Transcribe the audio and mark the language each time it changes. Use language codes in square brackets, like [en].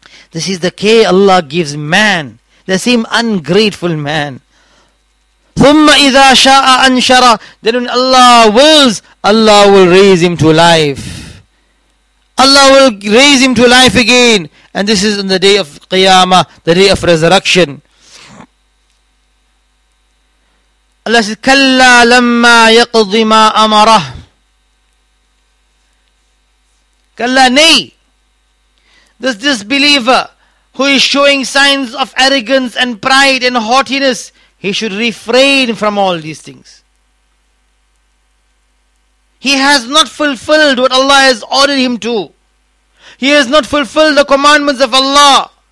[en] This is the care Allah gives man, the same ungrateful man. [ar] ثُمَّ إِذَا شَاءَ أَنْشَرَ. [en] Then when Allah wills, Allah will raise him to life. Allah will raise him to life again. And this is on the day of Qiyamah, the day of resurrection. Allah says, [ar] كَلَّا لَمَّا يَقْضِ مَا أَمَرَهُ. كَلَّا نَي. [en] This disbeliever who is showing signs of arrogance and pride and haughtiness, he should refrain from all these things. He has not fulfilled what Allah has ordered him to. He has not fulfilled the commandments of Allah.